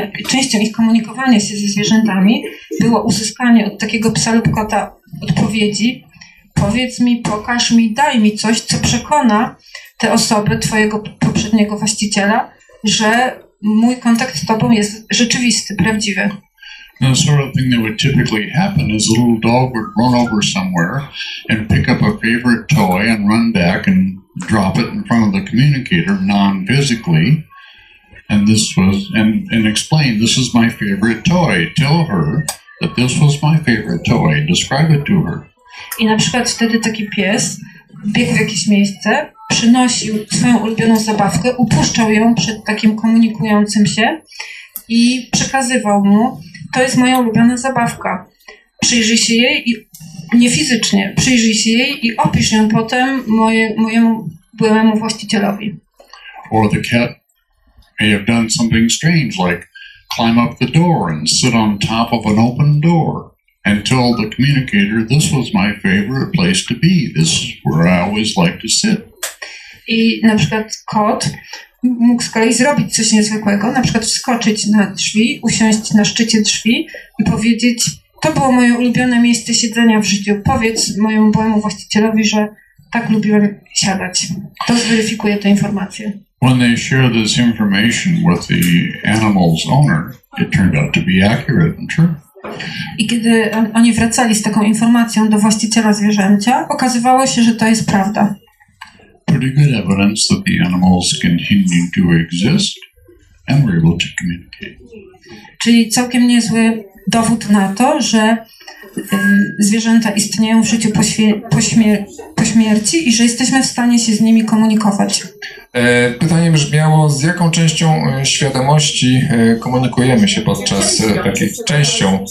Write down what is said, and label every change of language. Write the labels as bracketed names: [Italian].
[Polish] Częścią ich komunikowania się ze zwierzętami było uzyskanie od takiego psa lub kota odpowiedzi. Powiedz mi, pokaż mi, daj mi coś, co przekona te osoby, twojego poprzedniego właściciela, że mój kontakt z tobą jest rzeczywisty, prawdziwy. [English] The sort of thing that would typically happen is a little dog would run over somewhere and pick up a favorite toy and run back and drop it in front of the communicator non-physically. And explain, this is my favorite toy. Tell her that this was my favorite toy. Describe it to her. [Polish] I na przykład wtedy taki pies biegł w jakieś miejsce, przynosił swoją ulubioną zabawkę, upuszczał ją przed takim komunikującym się i przekazywał mu, to jest moja ulubiona zabawka. Przyjrzyj się jej i nie fizycznie, przyjrzyj się jej i opisz ją potem mojemu byłemu właścicielowi. [English] Or the cat may have done something strange, like climb up the door and sit on top of an open door and tell the communicator, this was my favorite place to be. This is where I always like to sit. [Polish] I na przykład kot mógł z kolei zrobić coś niezwykłego, na przykład wskoczyć na drzwi, usiąść na szczycie drzwi i powiedzieć, to było moje ulubione miejsce siedzenia w życiu. Powiedz mojemu byłemu właścicielowi, że tak lubiłem siadać. To zweryfikuje tę informację. [English] When they share this information with the animal's owner, it turned out to be accurate and true. [Polish] I kiedy oni wracali z taką informacją do właściciela zwierzęcia, okazywało się, że to jest prawda. [English] Pretty good evidence that the animals continue to exist and were able to communicate. [Polish] Czyli całkiem niezły dowód na to, że zwierzęta istnieją w życiu po śmierci i że jesteśmy w stanie się z nimi komunikować. Pytanie brzmiało, z jaką częścią świadomości komunikujemy się podczas takiej częścią?